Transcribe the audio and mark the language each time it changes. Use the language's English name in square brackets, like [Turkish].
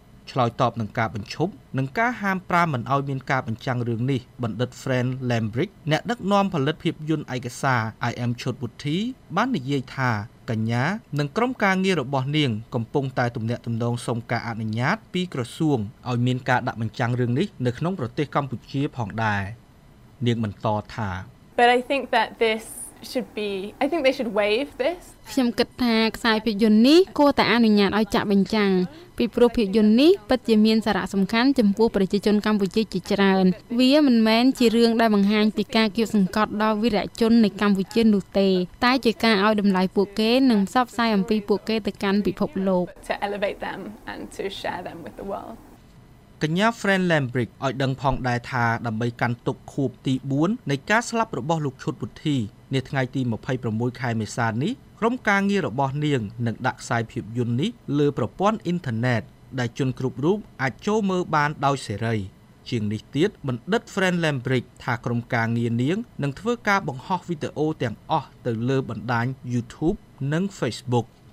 [Khmer] ឆ្លើយតបនឹងការបញ្ឈប់និងការហាមប្រាមមិនឲ្យមានការបញ្ចាំងរឿងនេះបណ្ឌិត Friend Lambrick អ្នកដឹកនាំផលិតភាពយន្តឯកសារ I am Chot Wuthi បាននិយាយថាកញ្ញានិងក្រុមការងាររបស់នាងកំពុងតែទំនាក់ទំនងសុំការអនុញ្ញាតពីក្រសួងឲ្យមានការដាក់បញ្ចាំងរឿងនេះនៅក្នុងប្រទេសកម្ពុជាផងដែរនាងបន្តថា [English] But I think that thisShould be. I think they should waive this. [Khmer] ខ្ញុំគិតថាខ្សែភាពយន្តនេះគួរតែអនុញ្ញាតឲ្យចាក់បញ្ចាំងពីព្រោះភាពយន្តនេះពិតជាមានសារៈសំខាន់ចំពោះប្រជាជនកម្ពុជាជាច្រើន។វាមិនមែនជារឿងដែលបង្ហាញពីការគាបសង្កត់ដល់វីរជននៃកម្ពុជានោះទេ។តែជាការឲ្យតម្លៃពួកគេនិងផ្សព្វផ្សាយអំពីពួកគេទៅកាន់ពិភពលោក [English] ។ To elevate them and to share them with the world. [Khmer] កញ្ញា Friend Lambrick ឲ្យដឹងផងដែរថាដើម្បីកាន់ទុកខួបទី4នៃការស្លាប់របស់លោកឈុតវុធីនាថ្ងៃទី26ខែមេសានេះក្រុមការងាររបស់នាងនឹងដាក់ខ្សែភាពយន្តនេះលើប្រព័ន្ធអ៊ីនធឺណិតដែលជនគ្រប់រូបអាចចូលមើលបានដោយសេរីជាងនេះទៀតបណ្ឌិត Friend Lambrick ថាក្រុមការងារនាងនឹងធ្វើការបង្ហោះវីដេអូទាំងអស់ទៅលើបណ្ដាញ YouTube និង Facebook